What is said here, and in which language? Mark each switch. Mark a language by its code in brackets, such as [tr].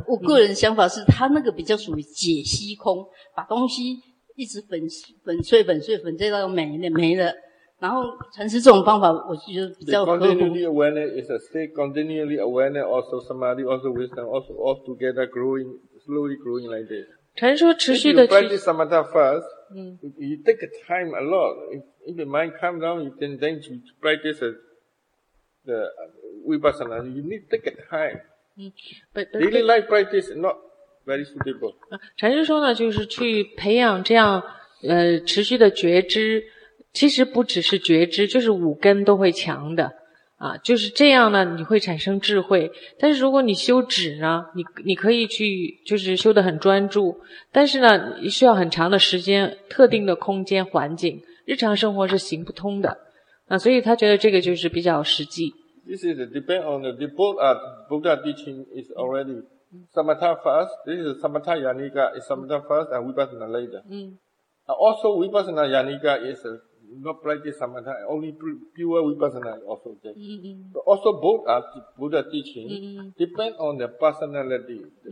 [zh] 我个人想法是他那个比较属于解析空，把东西。一直粉碎到没了，然后禅师这种方法我觉得比较合乎。 [en] The continually awareness is a state, continually awareness also samadhi, also wisdom, also all together growing, slowly growing like this. [zh] 禅说持续的 [en] 去。If you practice samatha first, you take time a lot. If the mind calm down, you can then you practice the vipassana. You need take time. Daily life practice not. Very suitable. [zh] 禅师说呢，就是去培养这样持续的觉知，其实不只是觉知，就是五根都会强的啊，就是这样呢，你会产生智慧。但是如果你修止呢，你可以去就是修得很专注，但是呢，你需要很长的时间、特定的空间环境，日常生活是行不通的啊，所以他觉得这个就是比较实际。 [en] This is depend on the Buddha teaching is already. Samatha first, this is Samatha Yanika, is Samatha first and Vipassana later. Also, Vipassana Yanika is not practice Samatha, only pure Vipassana also there. But also both are Buddha teaching, depend on the personality.